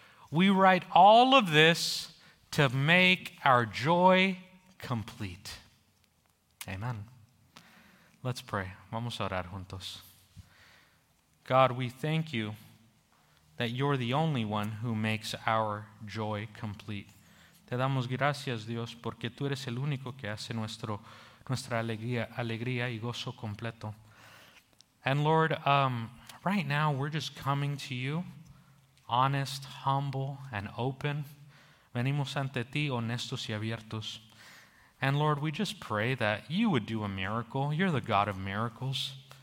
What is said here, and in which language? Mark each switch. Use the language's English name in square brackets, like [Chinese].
[English] We write all of this to make our joy complete. Amen. Let's pray. [Spanish] Vamos a orar juntos. [English] God, we thank you that you're the only one who makes our joy complete. [Spanish] Te damos gracias, Dios, porque tú eres el único que hace nuestra alegría y gozo completo. [English] And Lord, right now we're just coming to you honest, humble, and open. [Spanish] Venimos ante ti honestos y abiertos. [English] And Lord, we just pray that you would do a miracle. You're the God of miracles.